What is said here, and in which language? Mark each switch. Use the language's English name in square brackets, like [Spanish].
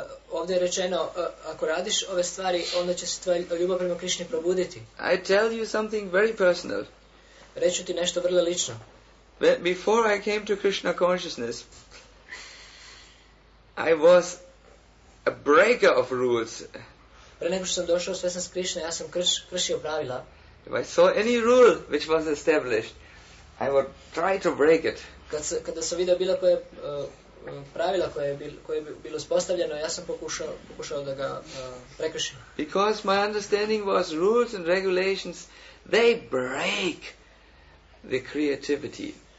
[Serbian] Ovdje je rečeno, ako radiš ove stvari, onda će se tvoja ljubav prema Krišni probuditi. [English] I tell you something very personal. [Serbian] Reću ti nešto vrlo lično. [English] Before I came to Krishna consciousness, I was a a breaker of rules. [Serbian] Pre nego što sam došao svjesan s Krišne, ja sam kršio pravila. [English] If I saw any rule which was established, I would try to break it. [Serbian] Kada sam vidio bilo koje pravila koje je bilo uspostavljeno, ja sam pokušao da ga prekršim. [English] Because my understanding was rules and regulations, they break the creativity.